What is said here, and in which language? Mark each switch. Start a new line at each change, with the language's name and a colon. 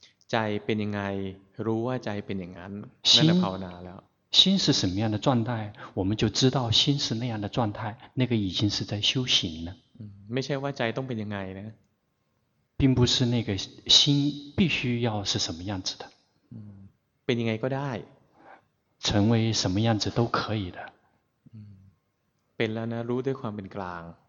Thai: ใจเป็นยังไงรู้ว่าใจเป็นอย่างนั้นนั่นแหละภาวนาแล้ว
Chinese: 心是什么样的状态我们就知道心是那样的状态那个已经是在修行了
Thai: ไม่ใช่ว่าใจต้องเป็นยังไงนะ
Chinese: 并不是那个心必须要是什么样子的
Thai: เป็นยังไงก็ได้
Chinese: 成为什么样子都可以的
Thai: เป็นแล้วนะรู้ด้วยความเป็นกลาง